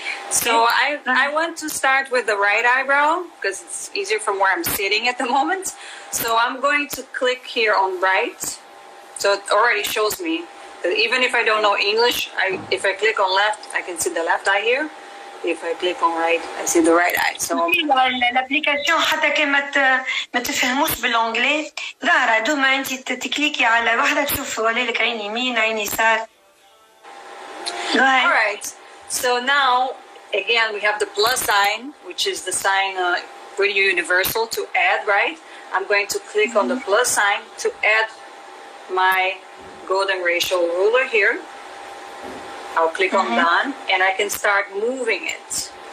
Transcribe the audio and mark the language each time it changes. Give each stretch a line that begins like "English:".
English: So I want to start with the right eyebrow because it's easier from where I'm sitting at the moment. So I'm going to click here on right. So it already shows me that even if I don't know English, if I click on left, I can see the left eye here. If I click on right, I see the right eye. So
Arabic: l'application حتى كي ما تفهموش بالانجلي ظاهرة دوما انت تكليكي على واحدة تشوف ولالك عين يمين عين يسار.
English: All right. So now again, we have the plus sign, which is the sign pretty universal to add, right? I'm going to click on the plus sign to add my golden ratio ruler here. I'll click on done, and I can start moving it.